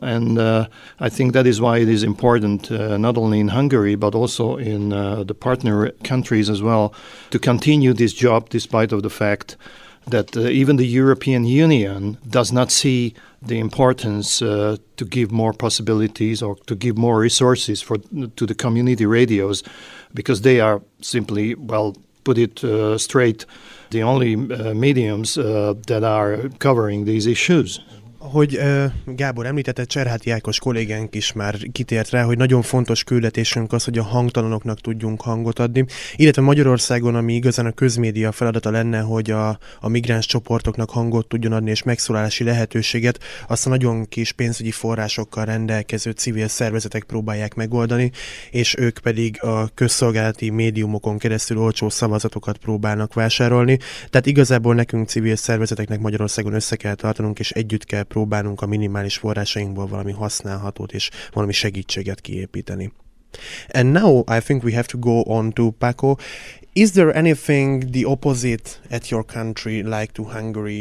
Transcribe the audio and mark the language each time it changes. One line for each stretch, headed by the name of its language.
English: And I think that is why it is important, not only in Hungary, but also in the partner countries as well, to continue this job despite of the fact that even the European Union does not see the importance to give more possibilities or to give more resources for to the community radios, because they are simply, well, put it straight, the only mediums that are covering these issues.
Hungarian: Ahogy Gábor említette, Cserháti Ákos kollégánk is már kitért rá, hogy nagyon fontos küldetésünk az, hogy a hangtalanoknak tudjunk hangot adni, illetve Magyarországon, ami igazán a közmédia feladata lenne, hogy a migráns csoportoknak hangot tudjon adni és megszólalási lehetőséget, azt a nagyon kis pénzügyi forrásokkal rendelkező civil szervezetek próbálják megoldani, és ők pedig a közszolgálati médiumokon keresztül olcsó szavazatokat próbálnak vásárolni. Tehát igazából nekünk civil szervezeteknek Magyarországon össze kell tartanunk, és együtt kell próbálunk a minimális forrásainkból valami használhatót és valami segítséget kiépíteni.
English: And now I think we have to go on to Paco. Is there anything the opposite at your country like to Hungary?